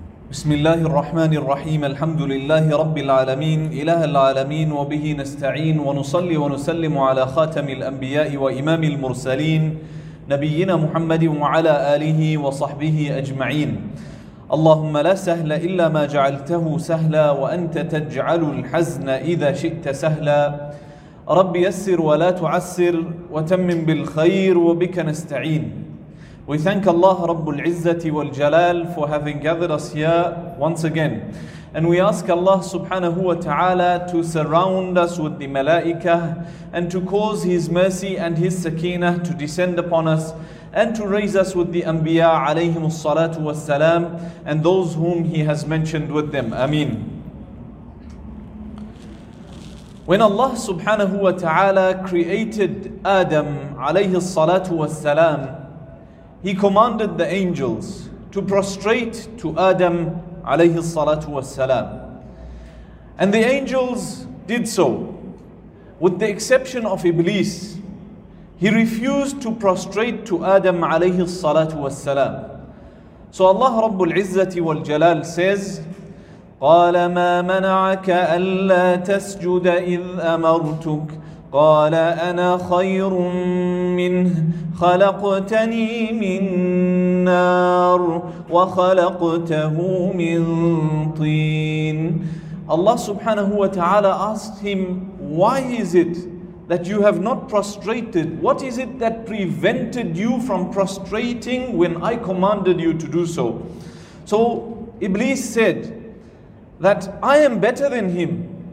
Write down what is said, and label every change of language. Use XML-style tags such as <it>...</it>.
<ar>بسم الله الرحمن الرحيم الحمد لله رب العالمين إله العالمين وبه نستعين ونصلي ونسلم على خاتم الأنبياء وإمام المرسلين نبينا محمد وعلى آله وصحبه أجمعين اللهم لا سهل إلا ما جعلته سهلا وأنت تجعل الحزن إذا شئت سهلا رب يسر ولا تعسر وتمم بالخير وبك نستعين.</ar> <en>We thank Allah Rabbul Izzati wal Jalal for having gathered us here once again. And we ask Allah subhanahu wa ta'ala to surround us with the malaika and to cause His mercy and His sakinah to descend upon us and to raise us with the anbiya alayhim salatu wa salam and those whom He has mentioned with them. Ameen. When Allah subhanahu wa ta'ala created Adam alayhi salatu wa salam, He commanded the angels to prostrate to Adam alayhi salatu wassalam. And the angels did so, with the exception of Iblis. He refused to prostrate to Adam alayhi salatu wassalam. So Allah Rabbul Izzati wal Jalal says,</en> <ar>قَالَ مَا مَنَعَكَ أَلَّا تَسْجُدَ إِذْ أَمَرْتُكَ قال أنا خير منه خلقتني من نار وخلقته من طين.</ar> <en>Allah subhanahu wa ta'ala asked him, why is it that you have not prostrated? What is it that prevented you from prostrating when I commanded you to do so? So Iblis said that I am better than him.</en>